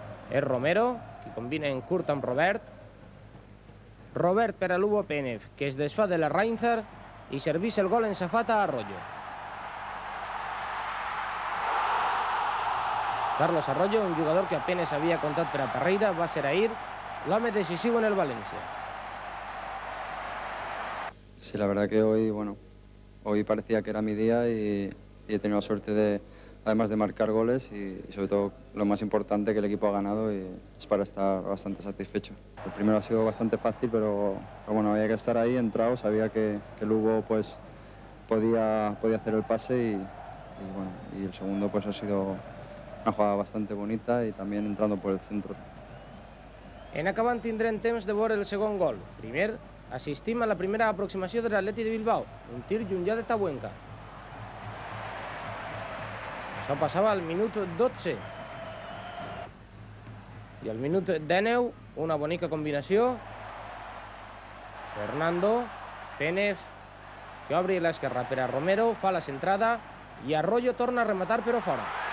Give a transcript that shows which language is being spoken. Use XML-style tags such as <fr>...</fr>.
<ca>És Romero, qui combina en curt amb Robert. Robert per a Lugo Penev, que es desfà de la Reinzer i serveix el gol en safata a Arroyo. Carlos Arroyo, un jugador que apenas havia comptat per a Parreira, va ser ahir l'home decisiu en el València.</ca> <es>Sí, la verdad que hoy parecía que era mi día y he tenido la suerte de, además de marcar goles y sobre todo lo más importante, que el equipo ha ganado y es para estar bastante satisfecho. El primero ha sido bastante fácil, pero bueno, había que estar ahí, entrado, sabía que Lugo pues podía hacer el pase y bueno, y el segundo pues ha sido una jugada bastante bonita y también entrando por el centro.</es> <ca>En acabant tindrem temps de veure el segon gol. Primer, assistim a la primera aproximació de l'Atleti de Bilbao, un tir llunyà de Tabuenca. Això passava al minut 12. I al minut 19, una bonica combinació. Fernando, Penev, que obri l'esquerra per a Romero, fa la centrada i Arroyo torna a rematar però fora.</ca>